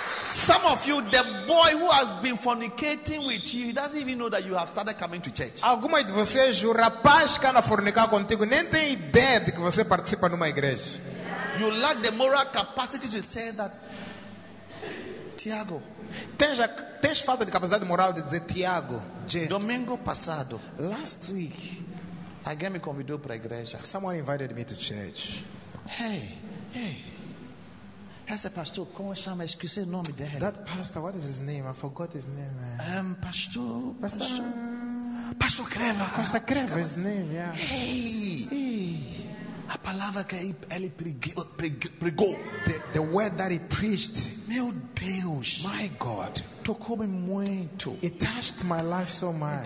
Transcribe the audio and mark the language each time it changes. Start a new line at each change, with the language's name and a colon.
English: Some of you, the boy who has been fornicating with you, he doesn't even know that you have started coming to church.
Portuguese: Alguma de vocês, o rapaz que anda a fornicar contigo, nem tem ideia de que você participa numa igreja.
English: You lack the moral capacity to say that, Tiago.
Portuguese: Tens falta de capacidade moral de dizer Tiago, James. Domingo passado,
English: last week,
Portuguese: alguém me convidou para a igreja.
English: Someone invited me to church.
Portuguese: Hey, essa pastor, como chama? Esqueci o nome dele.
English: That pastor, what is his name? I forgot his name.
Portuguese: Pastor Creva.
English: Pastor Creva, his name, yeah.
Portuguese: Hey. A palavra que ele pregou.
English: The word that he preached.
Portuguese: Meu Deus.
English: My God.
Portuguese: Tocou-me muito.
English: It touched my life so much.